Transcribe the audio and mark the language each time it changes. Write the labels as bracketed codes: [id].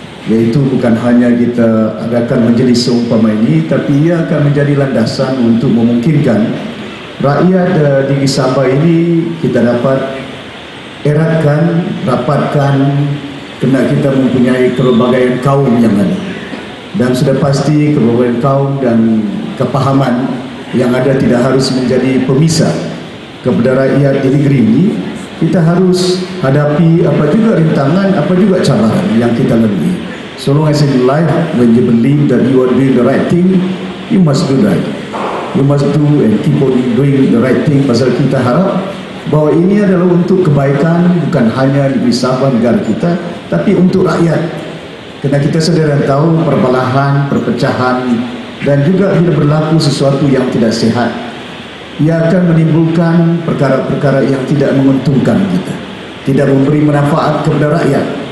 [ms] iaitu bukan hanya kita adakan majlis seumpama ini, tapi ia akan menjadi landasan untuk memungkinkan rakyat di Sabah ini kita dapat eratkan, rapatkan, kena kita mempunyai kepelbagaian kaum yang ada, dan sudah pasti kepelbagaian kaum dan kepahaman yang ada tidak harus menjadi pemisah kepada rakyat di negeri ini. Kita harus hadapi apa juga rintangan, apa juga cabaran yang kita lalui. [en] So long as in life, when you believe that you are doing the right thing, you must do right. You must do and keep on doing the right thing. [ms] Pasal kita harap bahwa ini adalah untuk kebaikan, bukan hanya di Sabah negara kita, tapi untuk rakyat. Kerana kita sedar dan tahu perbalahan, perpecahan, dan juga bila berlaku sesuatu yang tidak sihat, ia akan menimbulkan perkara-perkara yang tidak menguntungkan kita, tidak memberi manfaat kepada rakyat.